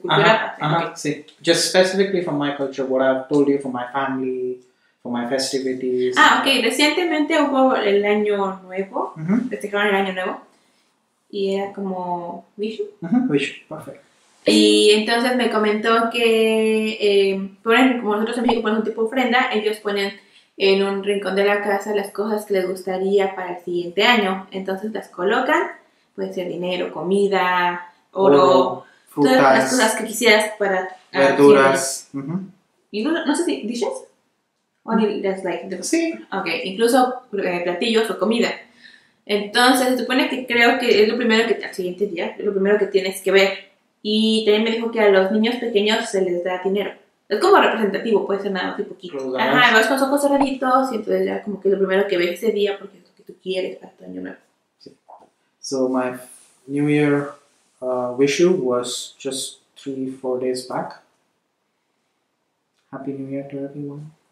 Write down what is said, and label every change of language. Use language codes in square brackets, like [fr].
[en] Culture okay just specifically for my culture what I have told you for my family for my festivities. Ah, okay. [es] Recientemente hubo el año nuevo. Uh-huh. Festejaron el año nuevo. Y era como Vishu. Uh-huh. Vishu, perfecto. Y entonces me comentó que, por ejemplo, como nosotros en México ponemos un tipo de ofrenda, ellos ponen en un rincón de la casa las cosas que les gustaría para el siguiente año. Entonces las colocan, puede ser dinero, comida, oro, frutas, todas las cosas que quisieras para... Verduras. Uh-huh. Y no sé si, [en] ¿dishes? That's like the... [es] Sí. Okay. Incluso platillos o comida. Entonces, se supone que creo que es lo primero que, al siguiente día, es lo primero que tienes que ver. Y también me dijo que a los niños pequeños se les da dinero. Es como representativo, puede ser nada, tipo kit. Ajá, vas con los ojos cerraditos y entonces ya como que es lo primero que ves ese día porque es lo que tú quieres para tu año nuevo. Sí. [en] So, my New Year wish you was just 3-4 days back. Happy New Year to everyone.